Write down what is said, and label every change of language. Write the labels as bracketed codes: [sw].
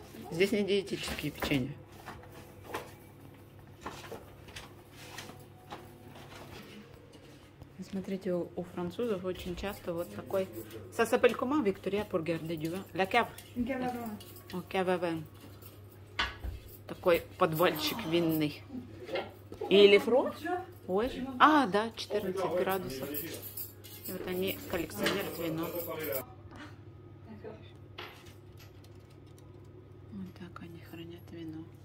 [ru] Здесь не диетические печенья. Смотрите, у французов очень часто вот такой... [fr] Ça s'appelle comment, Victoria, pour garder du vin? La cave? Cave à vin. Cave à vin. [ru] Такой подвальчик винный. И лифро? Ой. А, да, 14 градусов. И вот они коллекционируют вино. Вот так они хранят вино.